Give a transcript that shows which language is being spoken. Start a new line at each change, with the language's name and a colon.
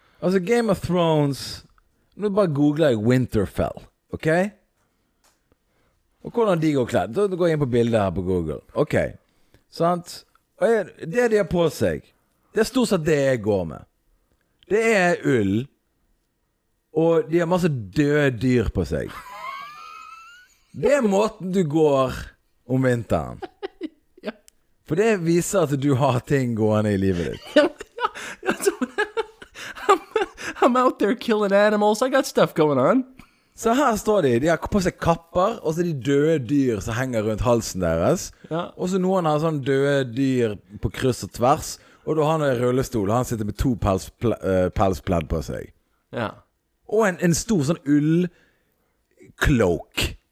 Norwegian: Altså Game of Thrones. Nå bare googler jeg Winterfell. Ok? Og hvordan de går kledd. Da går jeg inn på bildet her på Google. Ok. Sant? Og det de har på seg. Det stort sett det jeg går med. Det ull. Og de har masse døde dyr på seg. Det måten du går om vinteren. For det viser at du har ting gående I livet ditt.
English: I'm out there killing animals. I got stuff going on.
Norwegian: Så her står de. De har på seg kapper, og så de døde dyr som henger rundt halsen deres. Ja. Og så noen har sånne døde dyr på kryss og tvers. Og da har han en rullestol, og han sitter med to pelspledd på seg. Ja. Og en stor sånn ull-cloak.